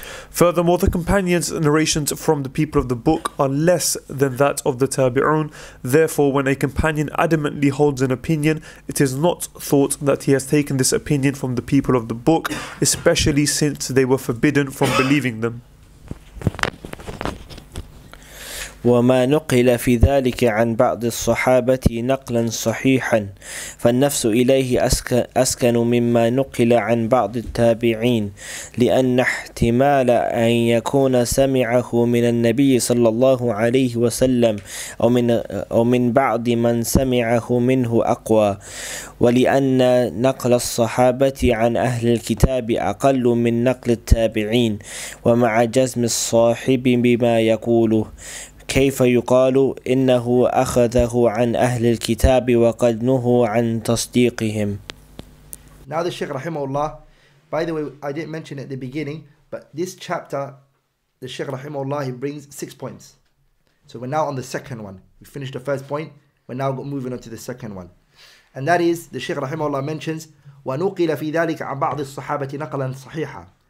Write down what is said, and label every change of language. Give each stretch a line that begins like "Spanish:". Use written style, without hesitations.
English: Furthermore, the companions' narrations from the people of the book are less than that of the tabi'un. Therefore, when a companion adamantly holds an opinion, it is not thought that he has taken this opinion from the people of the book, especially since they were forbidden from believing them.
Arabic: وما نقل في ذلك عن بعض الصحابة نقلا صحيحا فالنفس إليه أسكن مما نقل عن بعض التابعين لأن احتمال أن يكون سمعه من النبي صلى الله عليه وسلم أو من بعض من سمعه منه أقوى ولأن نقل الصحابة عن أهل الكتاب أقل من نقل التابعين ومع جزم الصاحب بما يقوله كيف يقال إنه أخذه عن أهل الكتاب وقد نهوا عن تصديقهم.
English: Now the Shaykh rahimahullah, by the way, I didn't mention at the beginning, but this chapter, the Shaykh rahimahullah, he brings 6 points. So we're now on the second one. We finished the first point, we're now moving on to the second one. And that is, the Shaykh Rahimahullah mentions,
Arabic: وَنُقِلَ فِي ذَلِكَ عَنْ بَعْضِ الصُّحَابَةِ نَقْلًا صَحِيحًا.